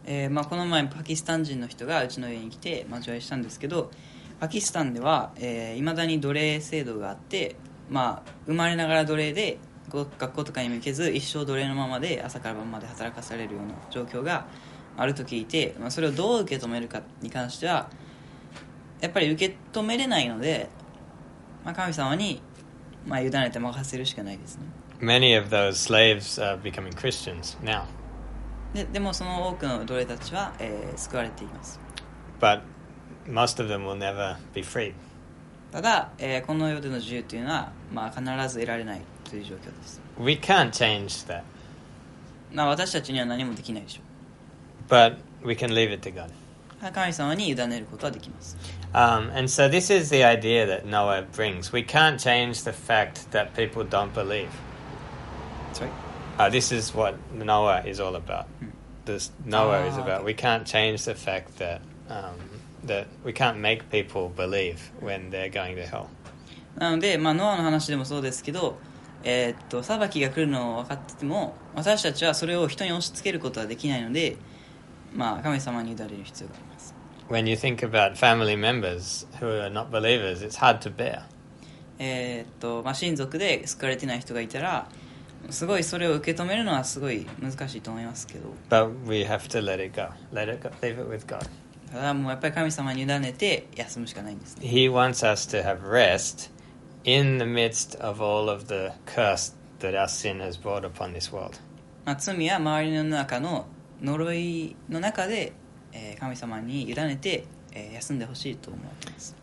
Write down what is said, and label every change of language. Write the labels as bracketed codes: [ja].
[ja] まあ、この前パキスタン人の人がうちの家に来て待ち合いしたんですけど、パキスタンでは、未だに奴隷制度があって、まあ、生まれながら奴隷で学校とかにも行けず一生奴隷のままで朝から晩まで働かされるような状況があると聞いて、まあ、それをどう受け止めるかに関してはやっぱり受け止めれないので、まあ、神様に、まあ、委ねて任せるしかないですね。 [en] Many of those slaves are becoming Christians now [ja] でもその多くの奴隷たちは、救われています。 [en] But most of them will never be freed. [ja] ただ、この世での自由というのは、まあ、必ず得られないという状況です。 [en] We can't change that. [ja] まあ、私たちには何もできないでしょう。 [en] But we can leave it to God. [ja] 神様に委ねることはできます。 [en] And so this is the idea that Noah brings. We can't change the fact that people don't believe. Sorry? This is what Noah is all about. This Noah is about. We can't change the fact that that we can't make people believe when they're going to hell. [ja] なのでまあノアの話でもそうですけど、裁きが来るのを分かってても私たちはそれを人に押し付けることはできないので、まあ神様に委ねる必要があります。 [en] When you think about family members who are not believers, it's hard to bear. [ja] まあ親族で救われてない人がいたら。すごいそれを受け止めるのはすごい難しいと思いますけど。 [en] But we have to let it go. Let it go. Leave it with God. [ja] ただもうやっぱり神様に委ねて休むしかないんですね。 [en] He wants us to have rest in the midst of all of the curse that our sin has brought upon this world. [ja] まあ罪や周りの中の呪いの中で、神様に委ねて、休んでほしいと思います。